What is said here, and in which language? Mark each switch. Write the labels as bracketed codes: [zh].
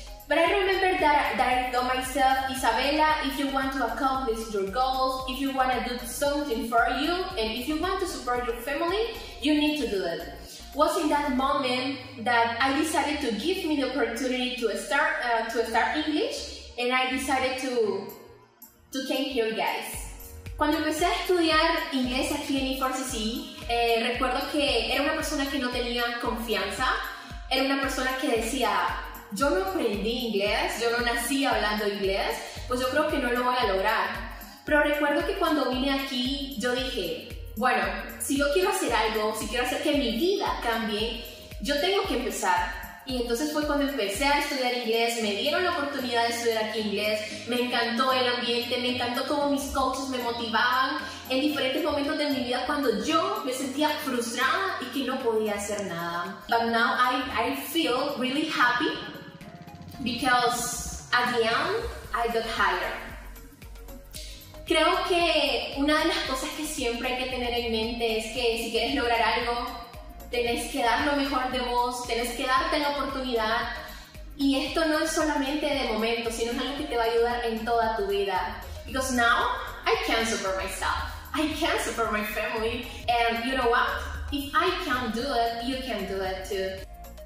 [en] But I remember that I told myself, Isabella, if you want to accomplish your goals, if you want to do something for you, and if you want to support your family, you need to do it. Was in that moment that I decided to give me the opportunity to start English, and I decided to come here, guys. [es] Cuando empecé a estudiar inglés aquí en I4CC, recuerdo que era una persona que no tenía confianza, era una persona que decía, yo no aprendí inglés, yo no nací hablando inglés, pues yo creo que no lo voy a lograr. Pero recuerdo que cuando vine aquí, yo dije, bueno, si yo quiero hacer algo, si quiero hacer que mi vida cambie, yo tengo que empezar. Y entonces fue cuando empecé a estudiar inglés, me dieron la oportunidad de estudiar aquí inglés, me encantó el ambiente, me encantó cómo mis coaches me motivaban en diferentes momentos de mi vida cuando yo me sentía frustrada y que no podía hacer nada. [en] But now I feel really happy because at the end I got hired. [es] Creo que una de las cosas que siempre hay que tener en mente es que si quieres lograr algo, tenés que dar lo mejor de vos, tenés que darte la oportunidad. Y esto no es solamente de momento, sino es algo que te va a ayudar en toda tu vida. [en] Because now, I can support myself. I can support my family. And you know what? If I can do it, you can do it too.